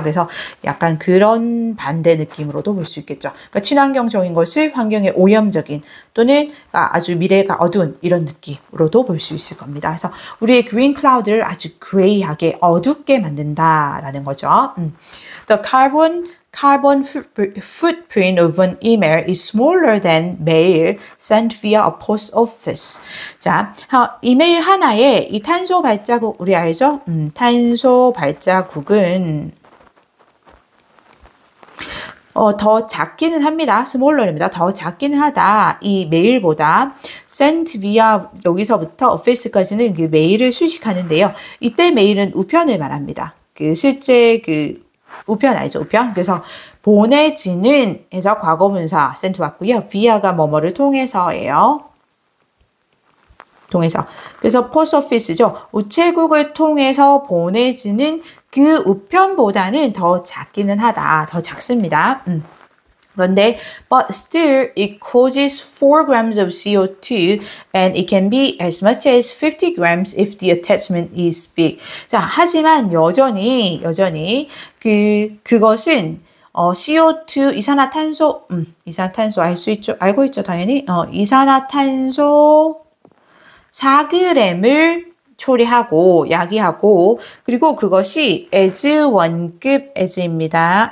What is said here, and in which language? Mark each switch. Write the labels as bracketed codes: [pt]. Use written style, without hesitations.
[ko] 그래서 약간 그런 반대 느낌으로도 볼수 있겠죠. 그러니까 친환경적인 것을 환경에 오염적인 또는 아주 미래가 어두운 이런 느낌으로도 볼수 있을 겁니다. 그래서 우리의 그린 클라우드를 아주 그레이하게 어둡게 만든다라는 거죠. [en] The carbon footprint of an email is smaller than mail sent via a post office. [ko] 자, 이메일 하나에 이 탄소 발자국, 우리 알죠? 탄소 발자국은 더 작기는 합니다. smaller입니다. 더 작기는 하다. 이 메일보다. sent via 여기서부터 office까지는 그 메일을 수식하는데요. 이때 메일은 우편을 말합니다. 그 실제 그 우편 알죠? 우편. 그래서 보내지는 해서 과거분사 sent 왔고요. via가 뭐뭐를 통해서예요. 통해서. 그래서 post office죠. 우체국을 통해서 보내지는 그 우편보다는 더 작기는 하다. 더 작습니다. 그런데, [en] but still, it causes 4 grams of CO2 and it can be as much as 50 grams if the attachment is big. [ko] 자, 하지만 여전히, 그것은, CO2, 이산화탄소, 이산화탄소 알수 있죠? 알고 있죠, 당연히? 이산화탄소 4g을 초래하고 야기하고 그리고 그것이 as 1급 as입니다.